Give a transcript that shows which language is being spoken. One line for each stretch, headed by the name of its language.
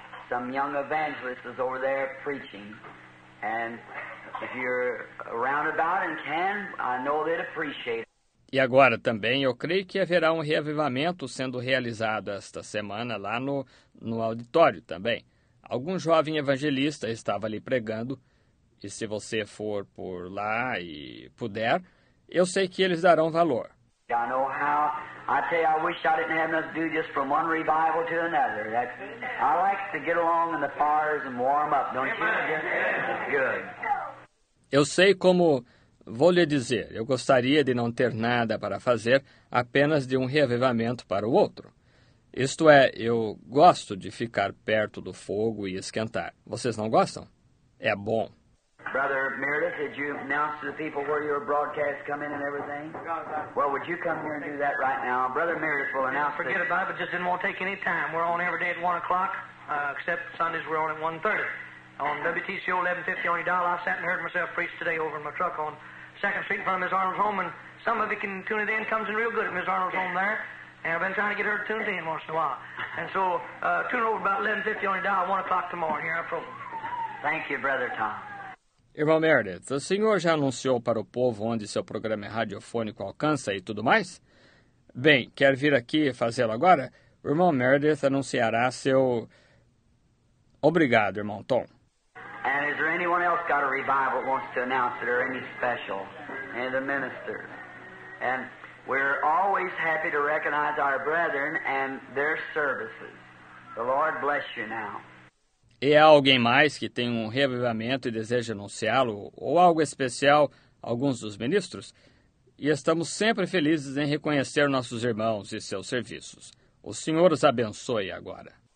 English: Some young evangelists is over there preaching. And if you're around about and can, I know they'd appreciate it.
Portuguese: E agora também eu creio que haverá um reavivamento sendo realizado esta semana lá no auditório também. Algum jovem evangelista estava ali pregando, e se você for por lá e puder, eu sei que eles darão valor.
English: I know how. I tell you, I wish I didn't have enough to do just from one revival to another. I like to get along in the fires and warm up, don't you? Good.
Portuguese: Eu sei como. Vou lhe dizer, eu gostaria de não ter nada para fazer, apenas de um reavivamento para o outro. Isto é, eu gosto de ficar perto do fogo e esquentar. Vocês não gostam? É bom.
English: Brother Meredith, did you announce to the people where your broadcast come in and everything? Well, would you come here and do that right now? Brother Meredith will announce. Forget that. About it, but just didn't want to take any time. We're on every day at 1 o'clock, except Sundays we're on at 1:30. On WTCO 1150 on your dial, I sat and heard myself preach today over in my truck on 2nd Street in front of Ms. Arnold's home, and some of you can tune it in. Comes in real good at Ms. Arnold's home there, and I've been trying to get her to tune it in once in a while. And so tune over about 1150 on your dial, 1 o'clock tomorrow, here I promise. Thank you, Brother Tom.
Portuguese: Irmão Meredith, o senhor já anunciou para o povo onde seu programa radiofônico alcança e tudo mais? Bem, quer vir aqui fazê-lo agora? O irmão Meredith anunciará seu... Obrigado, irmão Tom.
English: And is there anyone else got a revival that wants to announce it or any special? Any of the ministers? And we're always happy to recognize our brethren and their services. The Lord bless you now.
Portuguese: E há alguém mais que tem um reavivamento e deseja anunciá-lo? Ou algo especial, alguns dos ministros? E estamos sempre felizes em reconhecer nossos irmãos e seus serviços. O Senhor os abençoe agora.